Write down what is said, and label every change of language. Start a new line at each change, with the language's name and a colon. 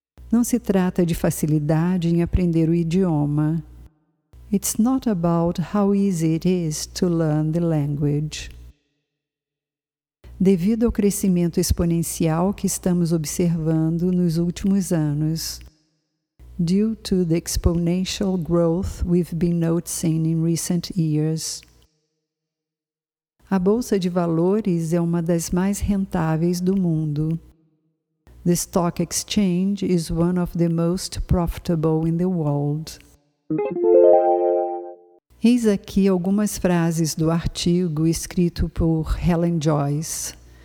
Portuguese: Não se trata de facilidade em aprender o idioma.
English: It's not about how easy it is to learn the language.
Portuguese: Devido ao crescimento exponencial que estamos observando nos últimos anos,
English: due to the exponential growth we've been noticing in recent years,
Portuguese: a Bolsa de Valores é uma das mais rentáveis do mundo.
English: The Stock Exchange is one of the most profitable in the world.
Portuguese: Eis aqui algumas frases do artigo escrito por Helen Joyce.